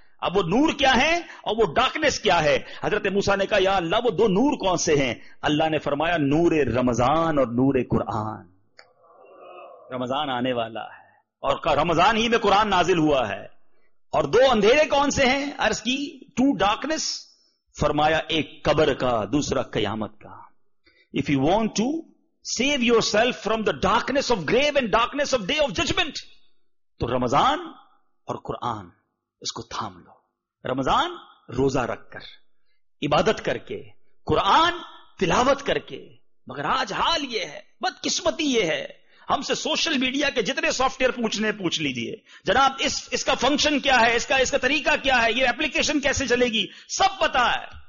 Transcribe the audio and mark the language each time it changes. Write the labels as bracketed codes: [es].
[ur] اب وہ نور کیا ہے اور وہ ڈارکنس کیا ہے؟ حضرت موسیٰ نے کہا یا اللہ وہ دو نور کون سے ہیں؟ اللہ نے فرمایا نور رمضان اور نور قرآن. رمضان آنے والا ہے اور رمضان ہی میں قرآن نازل ہوا ہے، اور دو اندھیرے کون سے ہیں؟ عرض کی ٹو ڈارکنس، فرمایا ایک قبر کا، دوسرا قیامت کا. [en] If you want to save yourself from the darkness of grave and darkness of day of judgment, [ur] تو رمضان اور قرآن اس کو تھام لو. رمضان روزہ رکھ کر، عبادت کر کے، قرآن تلاوت کر کے. مگر آج حال یہ ہے، بدقسمتی یہ ہے، ہم سے سوشل میڈیا کے جتنے سافٹ ویئر پوچھنے پوچھ لیجیے، جناب اس کا فنکشن کیا ہے، اس کا طریقہ کیا ہے، یہ اپلیکیشن کیسے چلے گی، سب پتا ہے.